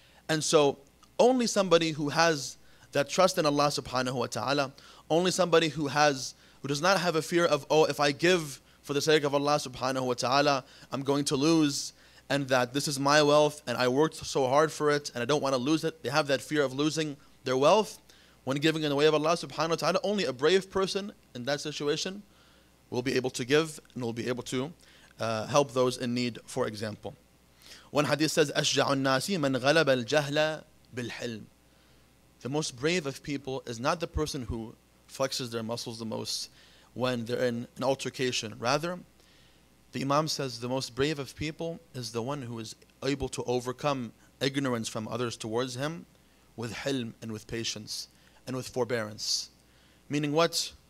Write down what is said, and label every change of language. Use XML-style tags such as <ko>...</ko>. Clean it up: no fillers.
<en>And so only somebody who has that trust in Allah subhanahu wa ta'ala, only somebody who does not have a fear of, oh, if I give for the sake of Allah subhanahu wa ta'ala, I'm going to lose, and that this is my wealth and I worked so hard for it and I don't want to lose it. They have that fear of losing their wealth when giving in the way of Allah subhanahu wa ta'ala. Only a brave person in that situation will be able to give and will be able to help those in need, for example. One hadith says,</en> <ar>أَشْجَعُ النَّاسِ مَنْ غَلَبَ الْجَهْلَ بِالْحِلْمِ.</ar> <en>The most brave of people is not the person who flexes their muscles the most when they're in an altercation. Rather, the Imam says the most brave of people is the one who is able to overcome ignorance from others towards him with hilm and with patience and with forbearance. Meaning what?</en>